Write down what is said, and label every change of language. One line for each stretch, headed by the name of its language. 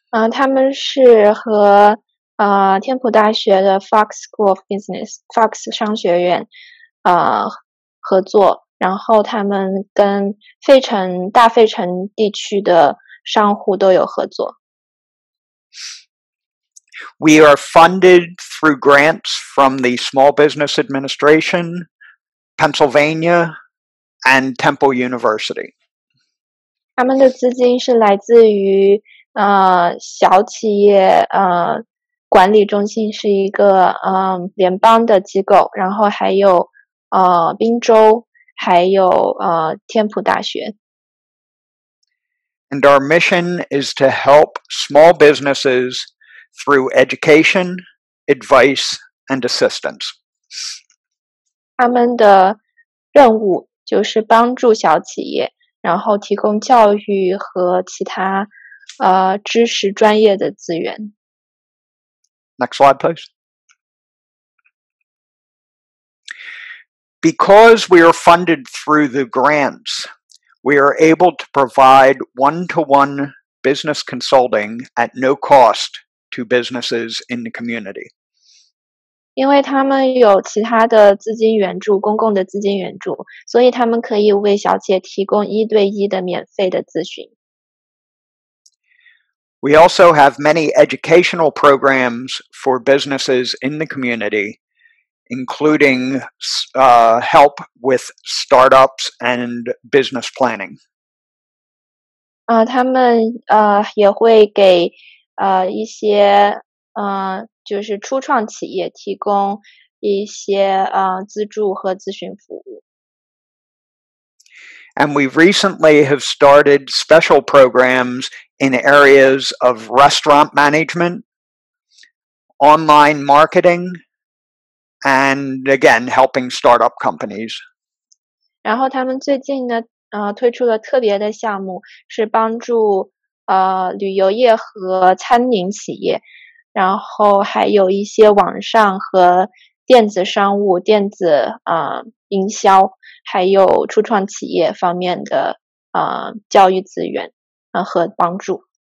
Chinese: 他们是和天普大学的 Fox School of Business, Fox 商学院合作，然后他们跟费城大费城地区的商户都有合作。
English: We are funded through grants from the Small Business Administration, Pennsylvania,and Temple University.
Chinese: 他们的资金是来自于小企业管理中心是一个联邦的机构，然后还有宾州，还有天普大学。
English: And our mission is to help small businesses through education, advice, and assistance.
Chinese: 他们的任务就是帮助小企业，然后提供教育和其他知识专业的资源。
English: Next slide, please. Because we are funded through the grants, we are able to provide one-to-one business consulting at no cost to businesses in the community.
Chinese: 因为他们有其他的资金援助，公共的资金援助，所以他们可以为小企业提供一对一的免费的咨询。
English: We also have many educational programs for businesses in the community, including help with startups and business planning.
Chinese: 他们也会给一些就是初创企业提供一些资助和咨询服务。
English: And we recently have started special programs in areas of restaurant management, online marketing, and again, helping startup companies.
Chinese: 然后他们最近呢，推出了特别的项目，是帮助旅游业和餐饮企业。然后还有一些网上和电子商务、电子营销，还有初创企业方面的教育资源和帮助。